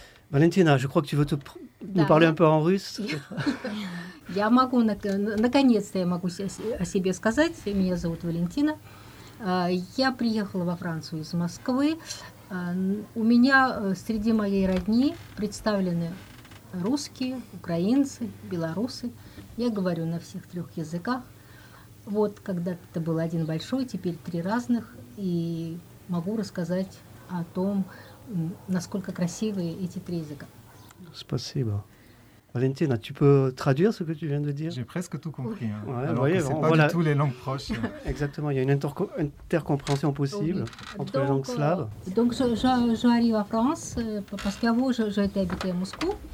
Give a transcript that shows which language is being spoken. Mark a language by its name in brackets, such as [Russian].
[French] Valentina, je crois que tu veux nous parler un peu en russe. [Russian] Я могу, наконец-то я могу о себе сказать. Меня зовут Валентина. Я приехала во Францию из Москвы. У меня среди моей родни представлены русские, украинцы, белорусы. Я говорю на всех трех языках. Вот когда-то это был один большой, теперь три разных. И могу рассказать о том, насколько красивые эти три языка. Спасибо. [French] Valentina, tu peux traduire ce que tu viens de dire? J'ai presque tout compris. Hein. Ouais, alors voyez, que c'est pas voilà. Du tout les langues proches. Exactement, il y a une intercompréhension possible oui. Entre donc, les langues slaves. Donc, je arrive en France parce qu'avant, j'ai été habitée à Moscou.